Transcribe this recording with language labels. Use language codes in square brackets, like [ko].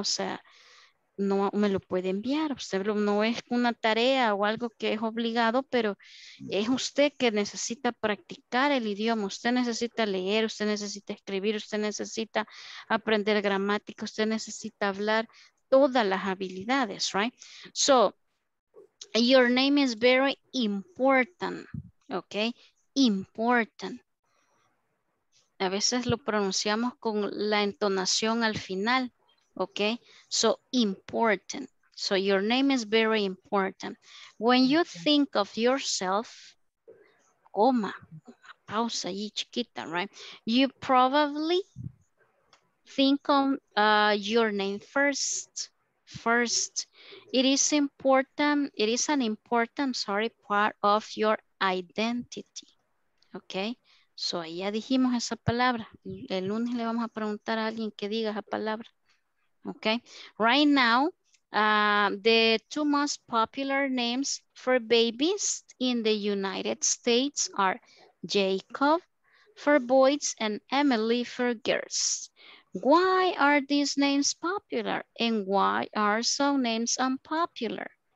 [es] O sea, no me lo puede enviar, usted no es una tarea o algo que es obligado, pero es usted que necesita practicar el idioma, usted necesita leer, usted necesita escribir, usted necesita aprender gramática, usted necesita hablar todas las habilidades, ¿right? [en] So, your name is very important, okay? [es] Important. A veces lo pronunciamos con la entonación al final, okay? [en] So, important. So, your name is very important. When you think of yourself, [es] coma, pausa ahí chiquita, [en] right? You probably think of your name first. first. It is important, it is an important, sorry, part of your identity. Okay, so [es] ya dijimos esa palabra. El lunes le vamos a preguntar a alguien que diga esa palabra. [en] Okay, right now, the two most popular names for babies in the United States are Jacob for boys and Emily for girls. Why are these names popular and why are some names unpopular?